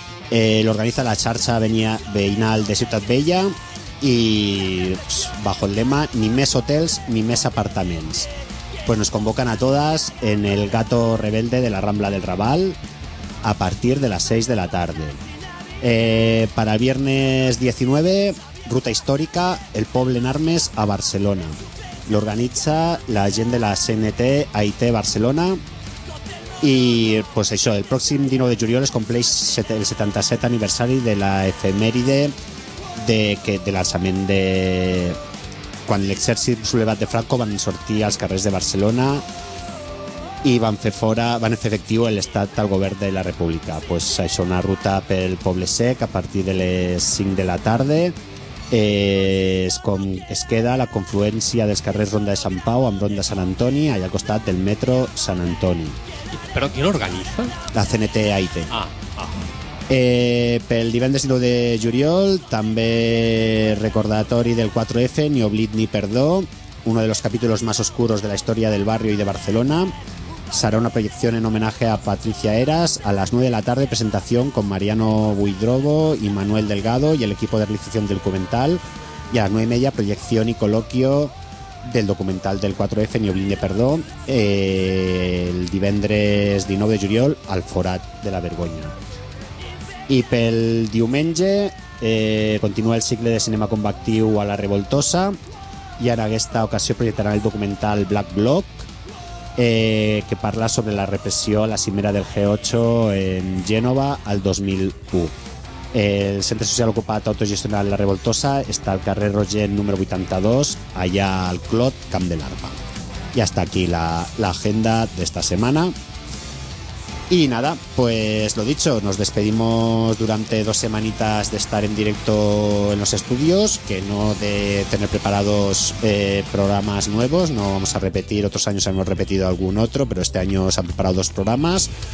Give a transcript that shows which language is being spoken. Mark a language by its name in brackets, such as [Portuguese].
[Spanish] Lo organiza la xarxa veïnal de Ciutat Vella y pues, bajo el lema [Catalan] ni més hotels ni més apartaments. [Spanish] Pues nos convocan a todas en el Gato Rebelde de la Rambla del Raval a partir de las 6 de la tarde. Para el viernes 19, ruta histórica, el Poble en Armes a Barcelona. [Catalan] l'organitza la gent de la CNT AIT Barcelona. I pues això, el pròxim 19 de juliol es compleix el 77 aniversari de la efemèride de l'alçament de quan l'exèrcit sublevat de Franco van sortir als carrers de Barcelona i van fer efectiu l'estat al govern de la República. Pues això, una ruta pel Poble Sec a partir de les 5 de la tarda. És com es queda la confluència dels carrers Ronda de Sant Pau amb Ronda Sant Antoni, allà al costat del metro Sant Antoni. Però qui l'organitza? La CNT AIT. Ah, ah. Pel divendres 9 de juliol, també recordatori del 4F, ni oblit ni perdó, [Spanish] uno de los capítulos más oscuros de la historia del barrio y de Barcelona. Serà una proyección en homenaje a Patricia Heras. A las 9 de la tarde, presentación con Mariano Buidrogo y Manuel Delgado y el equipo de realización del documental. Y a las 9 y media, proyección y coloquio del documental del 4F, ni oblit ni perdó, [Catalan] el divendres 19 de juliol [Spanish] al Forat de la Vergonya. [Catalan] I pel diumenge continua el cicle de cinema combatiu a la Revoltosa, i en aquesta ocasió projectarà el documental Black Bloc, que parla sobre la repressió a la cimera del G8 en Gènova al 2001. El centre social ocupat autogestionat La Revoltosa està al carrer Rogent número 82, allà al Clot, Camp de l'Arpa. I està aquí l'agenda d'esta setmana. [Spanish] Y nada, pues lo dicho, nos despedimos durante dos semanitas de estar en directo en los estudios, que no de tener preparados programas nuevos, no vamos a repetir, otros años hemos repetido algún otro, pero este año se han preparado dos programas.